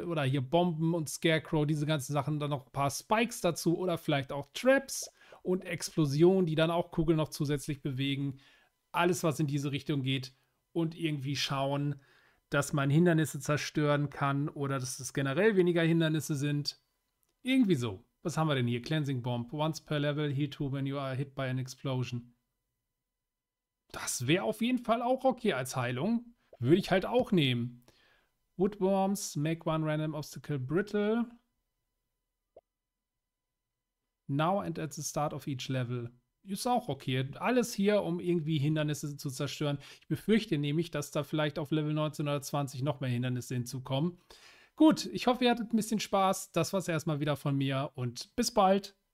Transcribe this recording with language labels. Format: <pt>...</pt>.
<de>Oder hier Bomben und Scarecrow, diese ganzen Sachen. Dann noch ein paar Spikes dazu oder vielleicht auch Traps und Explosionen, die dann auch Kugeln noch zusätzlich bewegen. Alles, was in diese Richtung geht. Und irgendwie schauen, dass man Hindernisse zerstören kann oder dass es generell weniger Hindernisse sind. Irgendwie so. Was haben wir denn hier? Cleansing Bomb.</de> <en>Once per level, heal two when you are hit by an explosion.</en> <de>Das wäre auf jeden Fall auch okay als Heilung. Würde ich halt auch nehmen.</de> <en>Woodworms, make one random obstacle brittle. Now and at the start of each level.</en> <de>Ist auch okay. Alles hier, um irgendwie Hindernisse zu zerstören. Ich befürchte nämlich, dass da vielleicht auf Level 19 oder 20 noch mehr Hindernisse hinzukommen. Gut, ich hoffe, ihr hattet ein bisschen Spaß. Das war es erstmal wieder von mir und bis bald.</de>